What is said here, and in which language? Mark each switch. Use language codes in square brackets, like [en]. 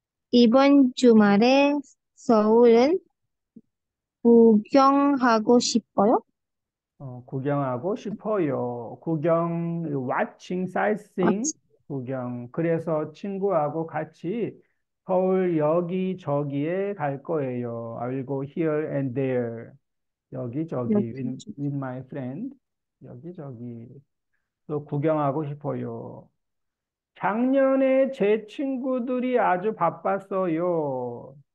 [ko] 이번 주말에 서울은 구경하고 싶어요? 구경하고 싶어요. 구경, watching, sightseeing, 구경. 그래서 친구하고 같이 서울역이 저기에 갈 거예요. [en] I will go here and there. 여기저기, with my friend. [ko] 여기저기. 또 구경하고 싶어요. 작년에 제 친구들이 아주 바빴어요.